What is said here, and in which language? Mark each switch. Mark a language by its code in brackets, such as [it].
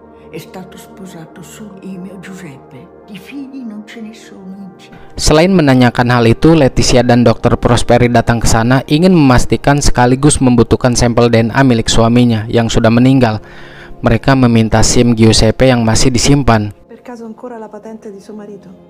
[it] È stato sposato solo il mio Giuseppe. Di figli non ce ne sono. [id] Selain menanyakan hal itu, Leticia dan Dr. Prosperi datang ke sana ingin memastikan sekaligus membutuhkan sampel DNA milik suaminya yang sudah meninggal. Mereka meminta SIM Giuseppe yang masih disimpan. [it] Per caso ancora la patente di suo marito?